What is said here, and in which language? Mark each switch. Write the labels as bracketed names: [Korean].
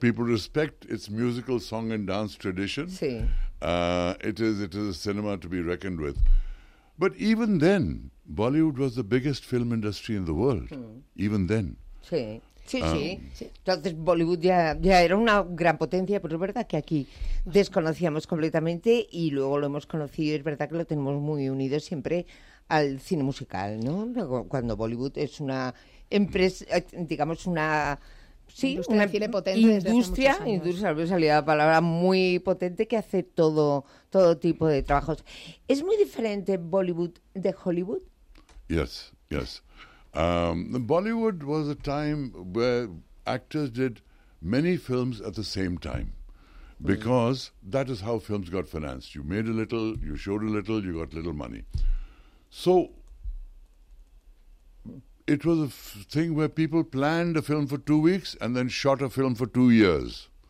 [English] People respect its musical song and dance tradition. It is a cinema to be reckoned with. But even then, Bollywood was the biggest film industry in the world. Even then. [Spanish] Entonces Bollywood ya era una gran potencia, pero es verdad que aquí desconocíamos completamente y luego lo hemos conocido, es verdad que lo tenemos muy unido siempre al cine musical, ¿no? Cuando Bollywood es una empresa, digamos una... Sí, industria una cine potente industria, desde hace muchos años. Industria, me salía la palabra, muy potente, que hace todo tipo de trabajos. ¿Es muy diferente Bollywood de Hollywood? [English] Yes. Bollywood was a time where actors did many films at the same time because that is how films got financed. You made a little, you showed a little, you got little money. So it was a thing where people planned a film for 2 weeks and then shot a film for 2 years.